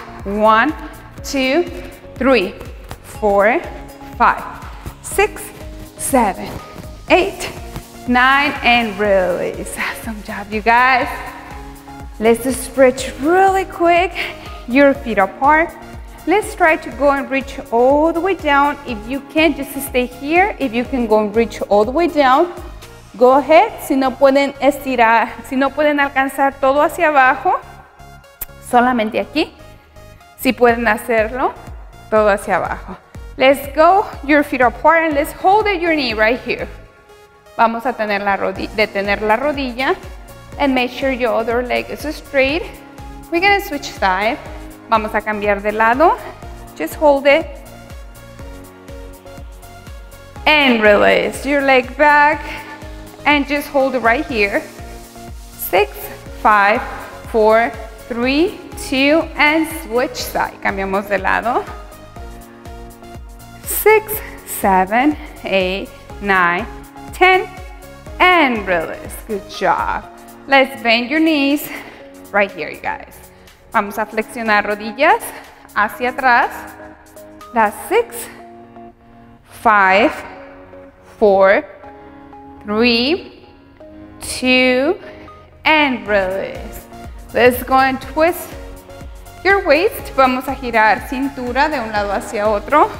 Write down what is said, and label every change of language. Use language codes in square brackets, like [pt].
[en] One, two, three, four, five, six, seven, eight, nine, and release. Awesome job, you guys. Let's just stretch really quick. Your feet apart. Let's try to go and reach all the way down. If you can, just stay here. If you can go and reach all the way down, go ahead. [es] Si no pueden estirar, si no pueden alcanzar todo hacia abajo, solamente aquí. Si pueden hacerlo, todo hacia abajo. [en] Let's go. Your feet apart and let's hold your knee right here. [es] Vamos a tener la detener la rodilla. [en] And make sure your other leg is straight. We're gonna switch side. [es] Vamos a cambiar de lado. [en] Just hold it. And release your leg back. And just hold it right here. Six, five, four, three, two, and switch side. [es] Cambiamos de lado. [en] Six, seven, eight, nine, ten. And release. Good job. Let's bend your knees right here, you guys. [es] Vamos a flexionar rodillas hacia atrás. [en] That's six, five, four, three, two, and release. Let's go and twist your waist. [es] Vamos a girar cintura de un lado hacia otro.